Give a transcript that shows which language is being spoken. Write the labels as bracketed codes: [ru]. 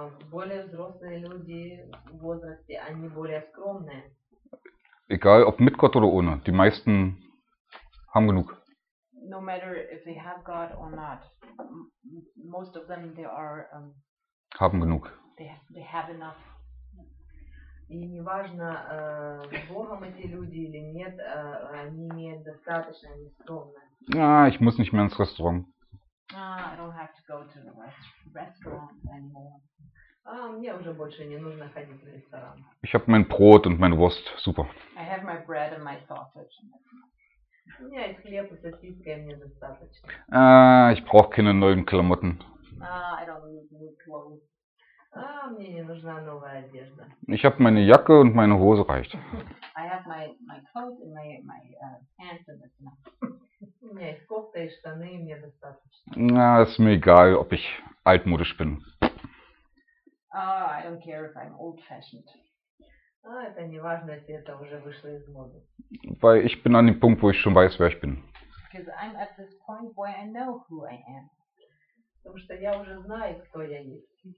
[ru] Более взрослые люди в возрасте, они более скромные. [de] Egal ob mit Gott oder ohne, die meisten haben genug. [en] No matter if they have God or not, most of them they are [de] haben genug. [en] They have enough. [ru] И неважно, с Богом эти люди или нет, они имеют достаточно, они скромны. [de] А, ich muss nicht mehr ins Restaurant. [en] I don't have to go to the restaurant anymore. [ru] Мне уже больше не нужно ходить в ресторан. [de] Ich habe mein Brot und meine Wurst, super. [en] I have my bread and my sausage. [ru] У меня есть хлеб и сосиска, мне достаточно. [de] Ich brauche keine neuen Klamotten. [en] I don't need new clothes. [ru] Мне не нужна новая одежда. [de] Ich habe meine Jacke und meine Hose, reicht. [en] I have my coat and my pants, and that's enough. [ru] У меня есть кофта и штаны, и мне достаточно. [de] Na, ist mir egal, ob ich altmodisch bin. [en] I don't care if I'm old-fashioned. [ru] Это не важно, если это уже вышло из моды. [de] Weil ich bin an dem Punkt, wo ich schon weiß, wer ich bin. [en] Because I'm at this point where I know who I am. [ru] Потому что я уже знаю, кто я есть.